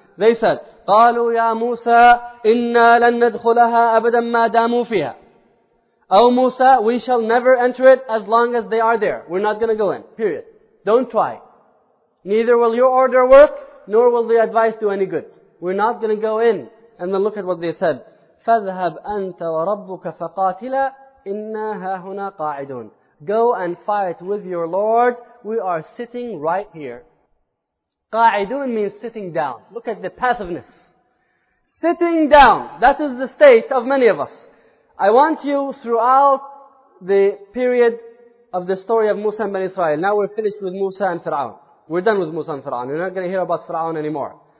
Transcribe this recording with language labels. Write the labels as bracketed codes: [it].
[en] They said, [ar] قَالُوا يَا مُوسَىٰ إِنَّا لَن نَدْخُلَهَا أَبْدًا مَا دَامُوا فِيهَا [en] O Musa, we shall never enter it as long as they are there. We're not going to go in. Period. Don't try. Neither will your order work, nor will the advice do any good. We're not going to go in. And then look at what they said. [ar] فَذْهَبْ أَنْتَ وَرَبُّكَ فَقَاتِلَ إِنَّا هَا هُنَا قَاعِدُونَ [en] Go and fight with your Lord. We are sitting right here. قَاعِدُونَ means sitting down. Look at the passiveness. Sitting down. That is the state of many of us. I want you throughout the period of the story of Musa and Bani Israel. Now we're finished with Musa and Fir'aun. We're done with Musa and Fir'aun. You're not going to hear about Fir'aun anymore.